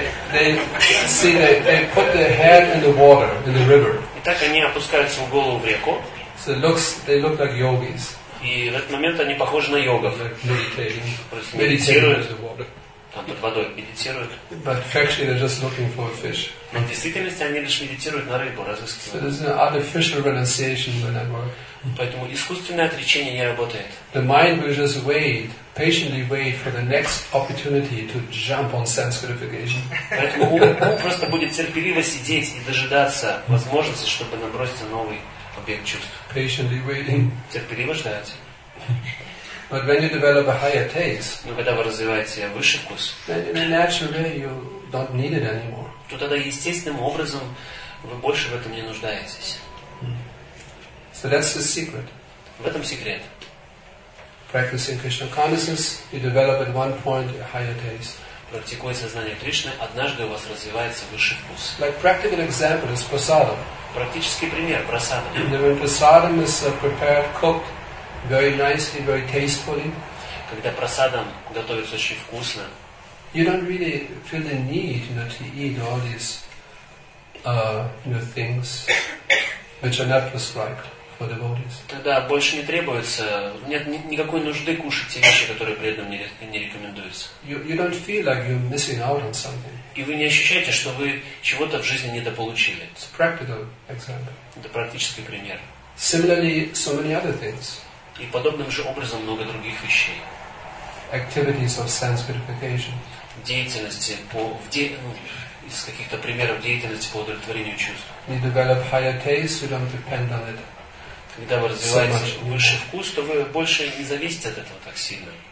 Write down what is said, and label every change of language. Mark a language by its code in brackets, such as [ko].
[en] They put their head in the water, in the river. [ru] Итак, они опускаются в голову в реку. [en] So they look like yogis. [ru] И в этот момент они похожи на йогов. [en] Meditating. [ru] Медитируют. там под водой медитируют. [en] But actually they're just looking for a fish. [ru] Но в действительности они лишь медитируют на рыбу, разыскивают. [en] So there's an artificial renunciation when I work. [ru] Поэтому искусственное отречение не работает. [en] The mind will just wait, patiently wait for the next opportunity to jump on sense gratification. [ru] Поэтому ум просто будет терпеливо сидеть и дожидаться возможности, чтобы наброситься новый объект чувств. [en] Patiently waiting. [ru] Терпеливо ждать. [en] But when you develop a higher taste, [ru] но когда вы развиваете высший вкус, [en] in a natural way you don't need it anymore. [ru] То тогда естественным образом вы больше в этом не нуждаетесь. [en] So that's the secret. [ru] В этом секрет. [en] Practicing Krishna consciousness, you develop at one point a higher taste. [ru] Практикуя сознание Кришны, однажды у вас развивается высший вкус. [en] Like practical example is prasadam. [ru] Практический пример prasada. [en] When prasadam is prepared, cooked. Very nicely, very tastefully. [ru] Когда прасадам готовится очень вкусно. [en] You don't really feel the need, you know, to eat all these, you know, things which are not prescribed for devotees. [ru] Тогда больше не требуется, нет никакой нужды кушать те вещи, которые преданным не рекомендуются. [en] You don't feel like you're missing out on something. [ru] И вы не ощущаете, что вы чего-то в жизни недополучили. [en] It's a practical example. [ru] Это практический пример. [en] Similarly, so many other things. [ru] И подобным же образом много других вещей. [en] Activities of sense purification. [ru] Деятельности по, из каких-то примеров деятельности по удовлетворению чувств. [en] You develop higher taste, you don't depend on it. [ru] Когда вы развиваете высший вкус, то вы больше не зависите от этого так сильно.